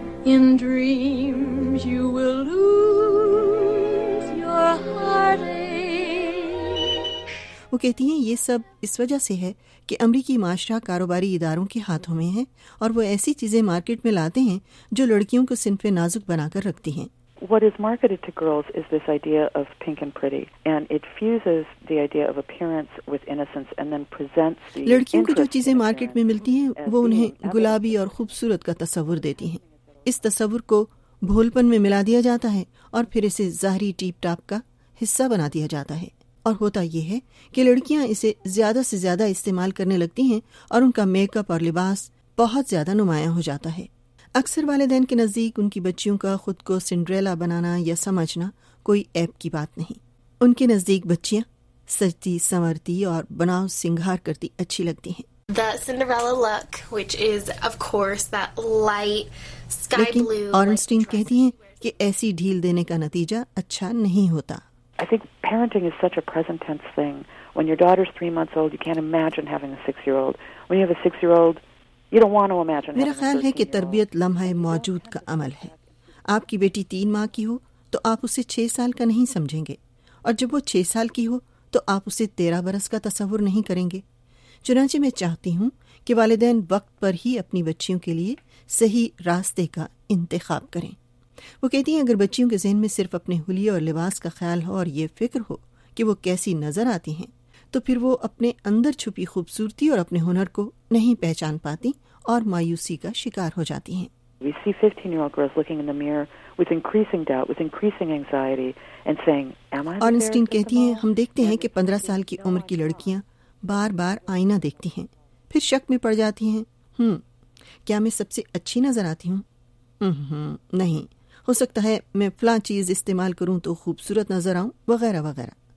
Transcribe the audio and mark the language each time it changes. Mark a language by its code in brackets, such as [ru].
[en] In dreams you will lose your heartache. [ur] وہ کہتی ہیں یہ سب اس وجہ سے ہے کہ امریکی معاشرہ کاروباری اداروں کے ہاتھوں میں ہے اور وہ ایسی چیزیں مارکیٹ میں لاتے ہیں جو لڑکیوں کو صنف نازک بنا کر رکھتی ہیں. [en] What is marketed to girls is this idea of pink and pretty, and it fuses the idea of appearance with innocence and then presents the [ur] لڑکیوں کو جو چیزیں مارکیٹ میں ملتی ہیں وہ انہیں گلابی اور خوبصورت کا تصور دیتی ہیں. اس تصور کو بھولپن میں ملا دیا جاتا ہے اور پھر اسے ظاہری ٹیپ ٹاپ کا حصہ بنا دیا جاتا ہے. اور ہوتا یہ ہے کہ لڑکیاں اسے زیادہ سے زیادہ استعمال کرنے لگتی ہیں اور ان کا میک اپ اور لباس بہت زیادہ نمایاں ہو جاتا ہے. اکثر والدین کے نزدیک ان کی بچیوں کا خود کو سنڈریلا بنانا یا سمجھنا کوئی عیب کی بات نہیں. ان کے نزدیک بچیاں سجتی سنورتی اور بناؤ سنگھار کرتی اچھی لگتی ہیں. [en] The Cinderella look, which is of course that light sky blue. [ur] لیکن اورنسٹین کہتی ہیں کہ ایسی ڈھیل دینے کا نتیجہ اچھا نہیں ہوتا. [en] I think parenting is such a present tense thing. When your daughter's 3 months old, you can't imagine having a 6-year-old. When you have a 6-year-old, you don't want to imagine. [ur] میرا خیال ہے کہ تربیت لمحہ موجود کا عمل ہے. آپ کی بیٹی 3 ماہ کی ہو تو آپ اسے 6 سال کا نہیں سمجھیں گے, اور جب وہ 6 سال کی ہو تو آپ اسے 13 برس کا تصور نہیں کریں گے. چنانچہ میں چاہتی ہوں کہ والدین وقت پر ہی اپنی بچیوں کے لیے صحیح راستے کا انتخاب کریں. وہ کہتی ہیں اگر بچیوں کے ذہن میں صرف اپنے حلیے اور لباس کا خیال ہو اور یہ فکر ہو کہ وہ کیسی نظر آتی ہیں تو پھر وہ اپنے اندر چھپی خوبصورتی اور اپنے ہنر کو نہیں پہچان پاتی اور مایوسی کا شکار ہو جاتی ہیں. [en] We see 15-year-old girls looking in the mirror with increasing doubt, with increasing anxiety and saying, am I? [ur] آرنسٹین کہتی ہیں ہم دیکھتے ہیں کہ 15 سال کی عمر کی لڑکیاں بار بار آئینہ دیکھتی ہیں, پھر شک میں پڑ جاتی ہیں, کیا میں سب سے اچھی نظر آتی ہوں؟ نہیں, ہو سکتا ہے میں فلاں چیز استعمال کروں تو خوبصورت نظر آؤں, وغیرہ وغیرہ.